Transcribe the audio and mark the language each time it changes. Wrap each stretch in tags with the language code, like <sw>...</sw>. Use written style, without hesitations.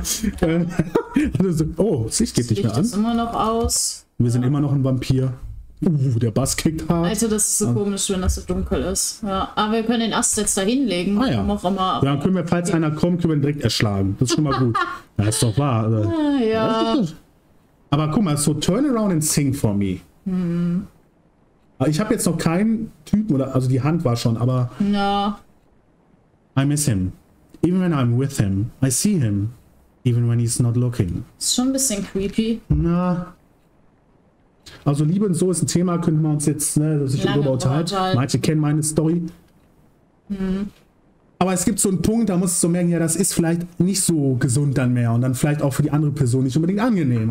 <de>Also so, oh, das Licht geht nicht mehr an. Das Licht ist immer noch aus. Wir sind immer noch ein Vampir. Der Bass kickt hart. Alter, das ist so komisch, wenn das so dunkel ist. Ja, aber wir können den Ast jetzt da hinlegen. Ah, ja. Auch immer, ja, dann können wir, falls einer kommt, können wir ihn direkt erschlagen. Das ist schon mal gut. Ja, ist doch wahr. Ja. Ja. Aber guck mal,</de> <en>so turn around and sing for me. Mhm.</en> <de>Ich habe jetzt noch keinen Typen, oder, also die Hand war schon, aber... Ja.</de> <en>I miss him. Even when I'm with him, I see him. Even when he's not looking.</en> <de>Ist schon ein bisschen creepy. Na... Also Liebe und so ist ein Thema, könnten wir uns jetzt, ne, dass ich darüber unterhalte. Manche kennen meine Story. Mhm. Aber es gibt so einen Punkt, da musst du merken, ja, das ist vielleicht nicht so gesund dann mehr und dann vielleicht auch für die andere Person nicht unbedingt angenehm.</de>